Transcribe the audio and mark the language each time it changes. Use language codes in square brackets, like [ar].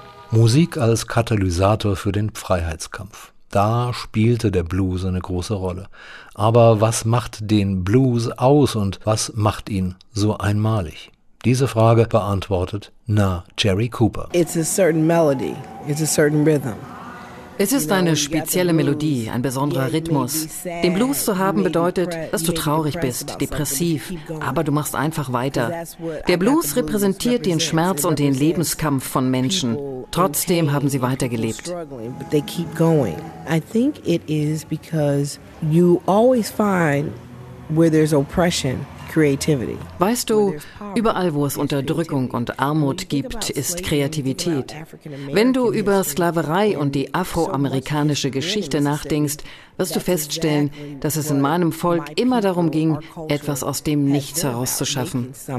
[de] Musik als Katalysator für den Freiheitskampf. Da spielte der Blues eine große Rolle. Aber was macht den Blues aus und was macht ihn so einmalig? Diese Frage beantwortet Nah Jerry Cooper. [en] It's a certain melody, it's a certain rhythm. [de] Es ist eine spezielle Melodie, ein besonderer Rhythmus. Den Blues zu haben bedeutet, dass du traurig bist, depressiv, aber du machst einfach weiter. Der Blues repräsentiert den Schmerz und den Lebenskampf von Menschen. Trotzdem haben sie weitergelebt. [en] I think it is because you always find where there's oppression. [de] Weißt du, überall, wo es Unterdrückung und Armut gibt, ist Kreativität. Wenn du über Sklaverei und die afroamerikanische Geschichte nachdenkst, wirst du feststellen, dass es in meinem Volk immer darum ging, etwas aus dem Nichts herauszuschaffen.